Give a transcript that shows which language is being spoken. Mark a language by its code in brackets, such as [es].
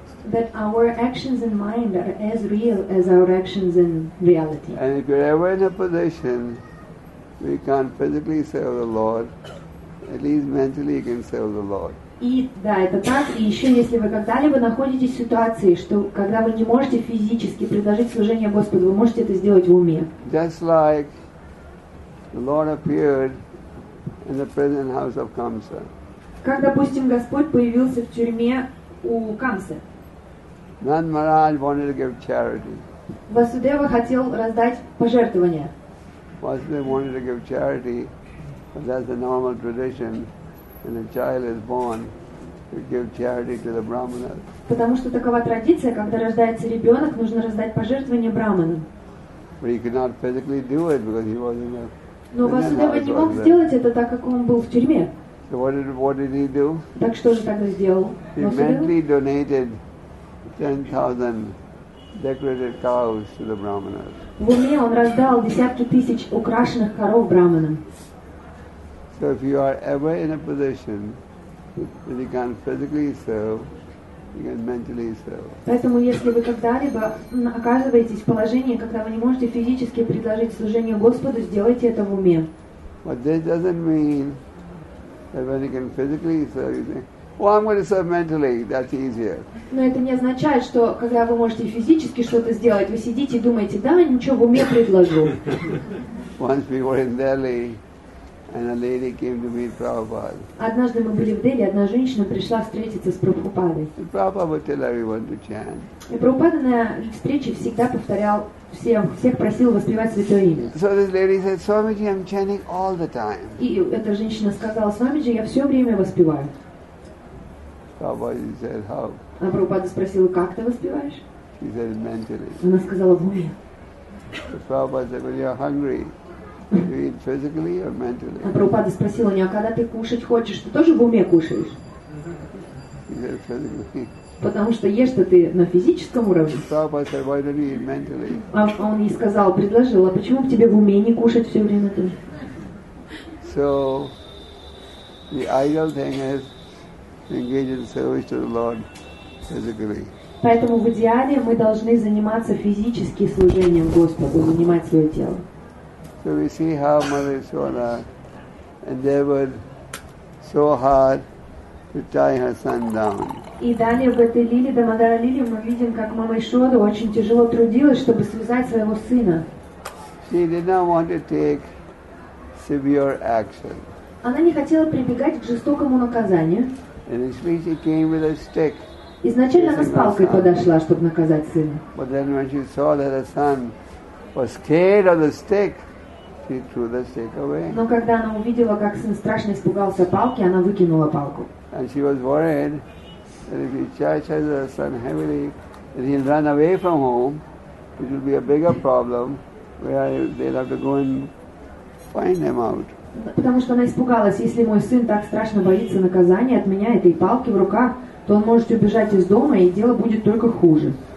[en] That our actions in mind are as real as our actions in reality. And if you're ever in a position we can't physically serve the Lord, at least mentally you can serve the Lord. [ru] И да, это так. И еще, если вы когда-либо находитесь в ситуации, что когда вы не можете физически предложить служение Господу, вы можете это сделать в уме. [en] Just like the Lord appeared in the prison house of Kamsa. [ru] Как, допустим, Господь появился в тюрьме у Камсы. [en] Nand Maharaj wanted to give charity. [ru] Vasudeva хотел раздать пожертвования. [en] Vasudeva wanted to give charity, but that's the normal tradition when a child is born to give charity to the brahmanas. [ru] Потому что такова традиция, когда рождается ребенок, нужно раздать пожертвование брахманам. [en] But he could not physically do it because he was in a. [ru] Но Vasudeva не мог сделать это, так как он был в тюрьме. [en] So what did he do? [ru] Так что же тогда сделал Vasudeva? [en] He mentally donated 10,000 decorated cows to the brahmanas. [ru] В уме он раздал десятки тысяч украшенных коров брахманам. [en] So if you are ever in a position that you can't physically serve, you can mentally serve. [ru] Поэтому если вы когда-либо оказываетесь в положении, когда вы не можете физически предложить служение Господу, сделайте это в уме. [en] But this doesn't mean that when you can physically serve, you think, well, I'm going to serve mentally. That's easier. [ru] Но это не означает, что когда вы можете физически что-то сделать, вы сидите и думаете, да, ничего, в уме предложу. [en] Once we were in Delhi, and a lady came to meet Prabhupada. [ru] Однажды мы были в Дели, одна женщина пришла встретиться с Прабхупадой. [en] Prabhupada would tell everyone to chant. [ru] И Прабхупада на их встрече всегда повторял всех просил воспевать святое имя. [en] So this lady said, Swamiji, I'm chanting all the time. [ru] И эта женщина сказала, Свамиджи, я все время воспеваю. [en] Prabhupada said, how? [ru] Она Прабхупада спросила, как ты воспеваешь? [en] She said, mentally. [ru] Она сказала, в уме. [en] So Prabhupada said, when you're hungry, do you eat physically or mentally? [ru] Она Прабхупада спросила у нее, а когда ты кушать хочешь, ты тоже в уме кушаешь? [en] She said, physically. [ru] Потому что ешь-то ты на физическом уровне. [en] So Prabhupada said, why don't you eat mentally? [ru] А он ей сказал, предложил, а почему бы тебе в уме не кушать все время ты? [en] So, the ideal thing is, engage in service to the Lord physically. [ru] Поэтому в идеале мы должны заниматься физически служением Господу, занимать свое тело. [en] So we see how Mother Yashoda endeavored so hard to tie her son down. [ru] И далее в этой лиле, Дамодара лиле, мы видим, как Мама Йашода очень тяжело трудилась, чтобы связать своего сына. [en] She did not want to take severe action. [ru] Она не хотела прибегать к жестокому наказанию. [en] And initially she came with a stick. [ru] Изначально она с палкой подошла, чтобы наказать сына. [en] But then when she saw that her son was scared of the stick, she threw the stick away. [ru] Но когда она увидела, как сын страшно испугался палки, она выкинула палку. [en] And she was worried that if he charges her son heavily, that he'll run away from home, it will be a bigger problem, where they'll have to go and find him out. [ru] Потому что она испугалась, если мой сын так страшно боится наказания от меня, этой палки в руках, то он может убежать из дома, и дело будет только хуже.